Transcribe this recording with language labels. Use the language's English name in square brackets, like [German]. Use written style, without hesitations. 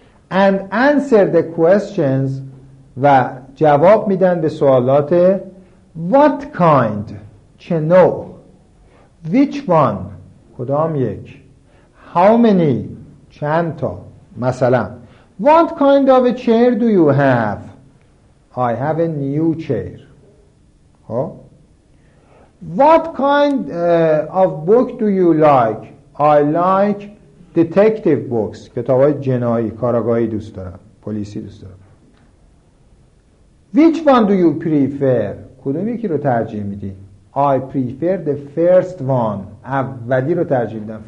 [English] And answer the questions [Persian] و جواب میدن به سوالات [English] what kind، [Persian] چه نوع، [English] which one، [Persian] کدام یک، [English] how many، [Persian] چند تا. [English] مثلا what kind of a chair do you have؟ I have a new chair. What kind of book do you like؟ I like detective books، [Persian] کتاب های جنایی، کاراگاهی دوست دارم، [English] پلیسی دوست دارم. Which one do you prefer؟ [Persian] کدوم یکی رو ترجیح میدی؟ [English] I prefer the first one، [Persian] اولی رو ترجیح میدم.